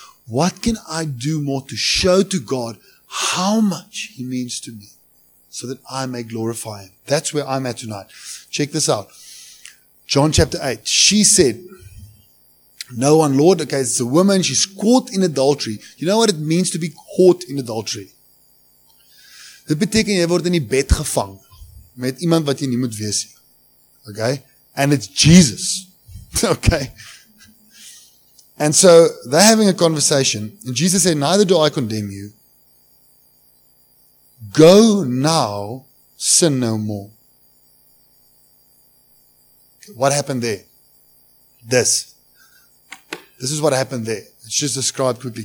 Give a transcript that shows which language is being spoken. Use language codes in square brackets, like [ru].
[en] What can I do more to show to God how much he means to me so that I may glorify him? That's where I'm at tonight. Check this out. John chapter 8. She said, no one, Lord. Okay, it's a woman. She's caught in adultery. You know what it means to be caught in adultery? [af] Dit beteken jy word in die bed gevang. Met iemand wat jy nie moet wees. [en] Okay? And it's Jesus. Okay? And so, they're having a conversation. And Jesus said, neither do I condemn you. Go now, sin no more. What happened there? This is what happened there. It's just described quickly.